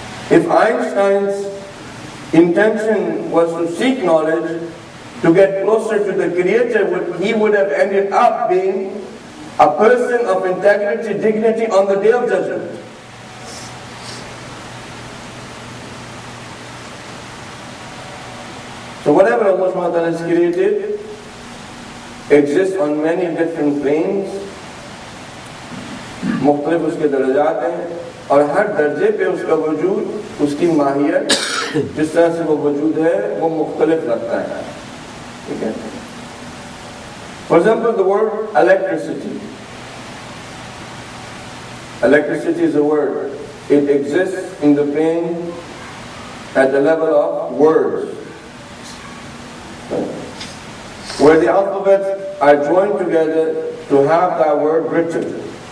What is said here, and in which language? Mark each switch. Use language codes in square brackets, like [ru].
[en] If Einstein's intention was to seek knowledge, to get closer to the Creator, he would have ended up being a person of integrity, dignity on the Day of Judgment. So whatever Allah subhanahu wa ta'ala has created exists on many different planes. [ur] مختلف اس کے درجات ہیں اور ہر درجے پہ اس کا وجود اس کی ماہیت جس طرح سے وہ وجود ہے وہ مختلف رکھتا ہے. [en] For example, the word electricity. Electricity is a word. It exists in the plane at the level of words, where the alphabets are joined together to have that word written.